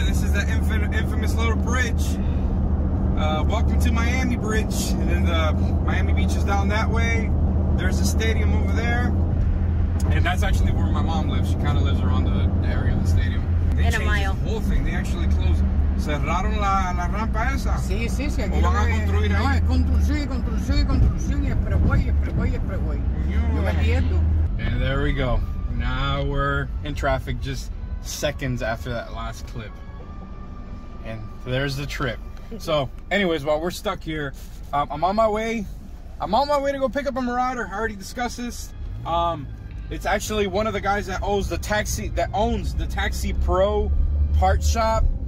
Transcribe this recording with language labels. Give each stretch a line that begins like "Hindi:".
English: This is the infamous little bridge. Welcome to Miami Bridge. And then the Miami Beach is down that way. There's a stadium over there. And that's actually where my mom lives. She kind of lives around the area of the stadium. They in a mile. The whole thing. They actually closed it.
Spanish: Cerraron la rampa esa. Sí, sí, sí. ¿O van a construir ahí? No, es construcción y espregüey. Yo me entiendo.
English: And there we go. Now we're in traffic just seconds after that last clip. And there's the trip. So, anyways, while we're stuck here, I'm on my way to go pick up a Marauder. I already discussed this. It's actually one of the guys that owns the Taxi Pro part shop.